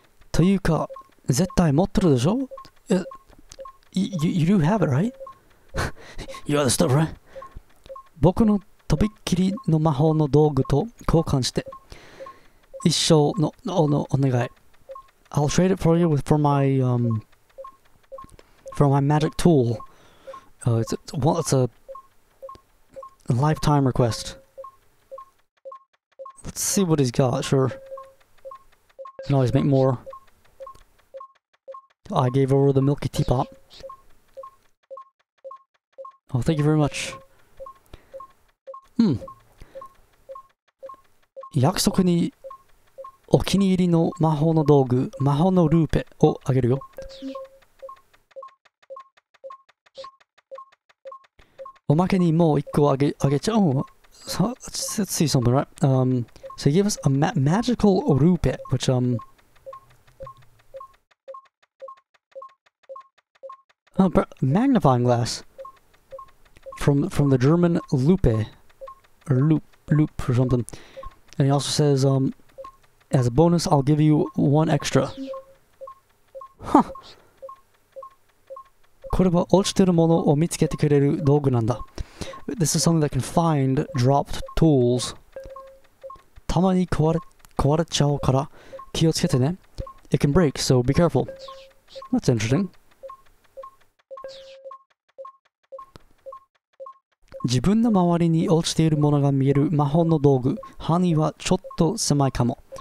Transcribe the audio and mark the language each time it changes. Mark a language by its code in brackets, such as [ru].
[ja] というか絶対持ってるでしょ [en] You do have it, right? You have the stuff, right? [ja] 僕のとびっきりの魔法の道具と交換して一生の、のお願い [en] I'll trade it for you with, for my magic tool. It's a lifetime request. Let's see what he's got, sure. Can always make more. I gave over the milky teapot. Oh, thank you very much. Hmm. [ja] 約束にお気に入りの魔法の道具、魔法のルーペをあげるよ。おまけにもう一個あげちゃおう。 [en] So, let's see something, right? So he gave us a magical rupee, which, magnifying glass. From the German lupe. Or loop or something. And he also says, As a bonus, I'll give you one extra. Huh. [ja] これは落ちてるものを見つけてくれる道具なんだ。 [en] This is something that can find dropped tools. [ja] たまに壊れちゃうから気をつけてね。 [en] It can break, so be careful. That's interesting. [ja] 自分の周りに落ちているものが見える魔法の道具、範囲はちょっと狭いかも。